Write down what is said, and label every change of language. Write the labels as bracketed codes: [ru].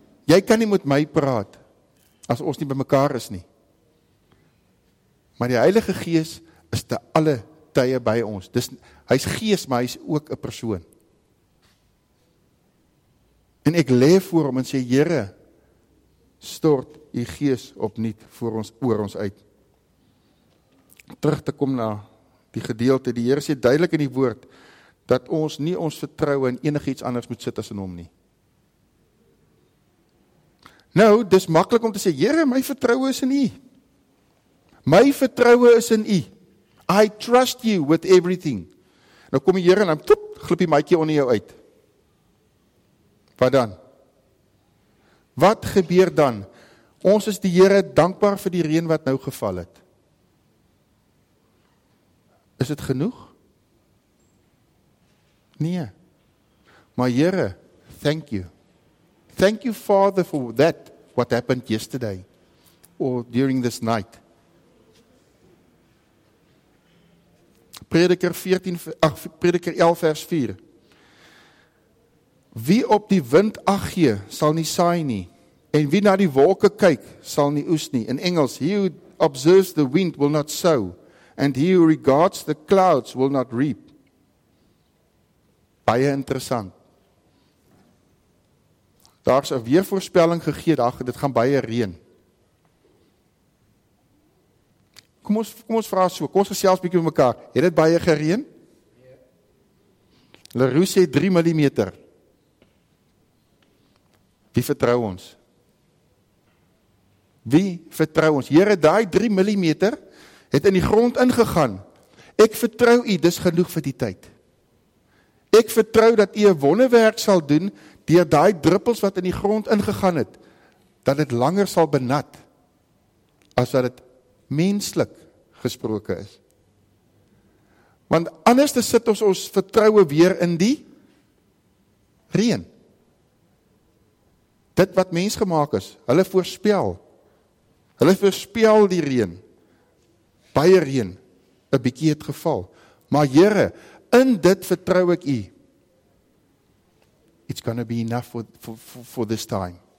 [af] Jy kan nie met my praat as ons nie by mekaar is nie. Maar die Heilige Gees is te alle tye by ons. Dis hy is gees, maar hy is ook 'n persoon. En ek lê voor hom en sê, Here, stort u gees opnuut voor ons oor ons uit. Terug te kom na die gedeelte, die Here sê duidelik in die woord, dat ons nie ons vertroue in enigiets anders moet sit as in hom nie. Nou, dis maklik om te sê, Here, my vertroue is in u. My vertroue is in u. [en] I trust you with everything. [af] Nou kom die Here en dan toep, glip die maatjie onder jou uit. Wat dan? Wat gebeur dan? Ons is die Here dankbaar vir die reën wat nou geval het. Is dit genoeg? Nee. Maar Here, [en] thank you. Thank you, Father, for that, what happened yesterday or during this night. [af] Prediker 11 vers 4. Wie op die wind ag gee, sal nie saai nie. En wie na die wolke kyk, sal nie oes nie. In Engels, [en] he who observes the wind will not sow. And he who regards the clouds will not reap. [af] Baie interessant. Daar is 'n weervoorspelling gegee, dit gaan baie reën. Kom ons vra so, kom ons gesels bietjie met mekaar. Het dit baie gereën? Nee. Leroux sê 3 mm. Wie vertrou ons? Wie vertrou ons? Here, daai 3 mm het in die grond ingegaan. Ek vertrou u, dis genoeg vir die tyd. Ek vertrou dat u 'n wonderwerk sal doen deur daai druppels wat in die grond ingegaan het, dat dit langer sal benat as wat dit menslik gesproke is. Want anders sit ons vertroue weer in die reën. Dit wat mens gemaak is, hulle voorspel die reën. Baie reën, 'n bietjie het geval. Maar Here, in dit vertrou ek u. [en] It's going to be enough for this time.